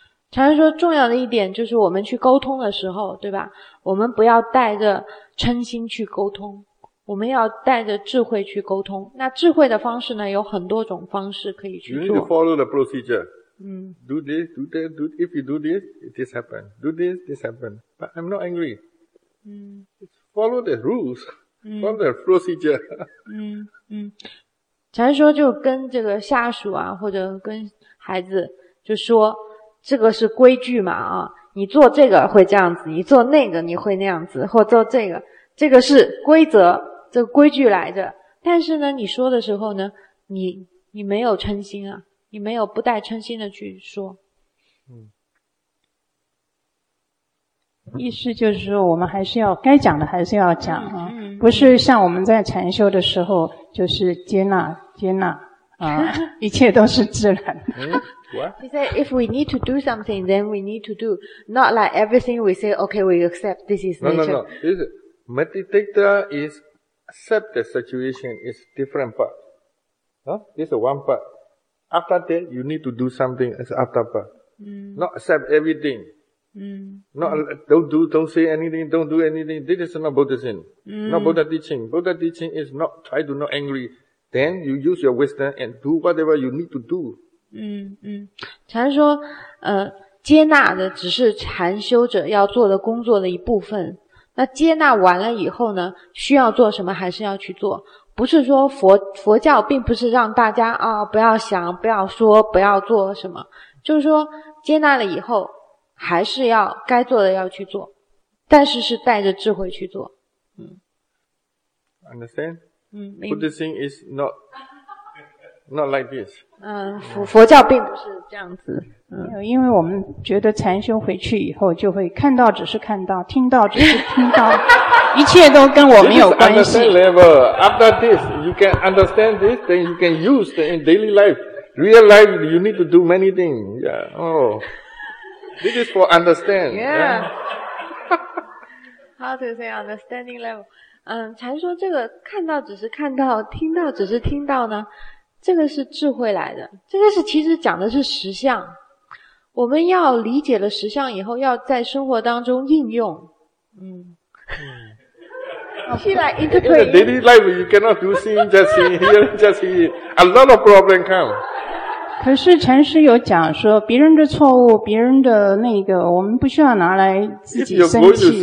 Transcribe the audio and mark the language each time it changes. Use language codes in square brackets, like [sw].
[zh] 常说重要的一点就是我们去沟通的时候，对吧？我们不要带着嗔心去沟通，我们要带着智慧去沟通。那智慧的方式呢，有很多种方式可以去做。 [en] You need to follow the procedure. Do this, do that, do, if you do this, this happen. Do this, this happen. But I'm not angry. Follow the rules, follow the procedure. [zh] 禅说就跟这个下属啊，或者跟孩子就说，这个是规矩嘛啊，你做这个会这样子，你做那个你会那样子，或做这个是规则，这个规矩来着。但是呢，你说的时候呢，你没有嗔心啊。你没有不带嗔心的去说，意思就是说，我们还是要该讲的还是要讲啊，不是像我们在禅修的时候，就是接纳啊，一切都是自然。 [en] What? He said, if we need to do something, then we need to do. Not like everything we say, okay, we accept this is nature. No. This meditator is accept the situation is different part. This is one part. After that, you need to do something as after part. Not accept everything. Don't say anything, don't do anything. This is not Buddhism. Not Buddha teaching. Buddha teaching is not try to not angry. Then you use your wisdom and do whatever you need to do. [zh] 禅说，接纳的只是禅修者要做的工作的一部分。那接纳完了以后呢，需要做什么还是要去做。不是说佛教并不是让大家啊、哦、不要想、不要说、不要做什么，就是说接纳了以后还是要该做的要去做，但是是带着智慧去做。 [en] Understand? 嗯，Buddhism is not like this. [zh] 佛教并不是这样子。因为我们觉得禅修回去以后就会看到只是看到，听到只是听到，一切都跟我没有关系。 [en] This is understand level. After this, you can understand this, then you can use it in daily life. Real life, you need to do many things. Yeah. Oh. This is for understand. Yeah. How to say understanding level? 禅说这个看到只是看到，听到只是听到呢，这个是智慧来的。这个是其实讲的是实相。我们要理解了实相以后，要在生活当中应用。 See like interpret. In the daily life, you cannot do seeing, just seeing, hearing, just seeing. A lot of problem come. [zh] 可是禅师有讲说，别人的错误，别人的那个，我们不需要拿来自己生气。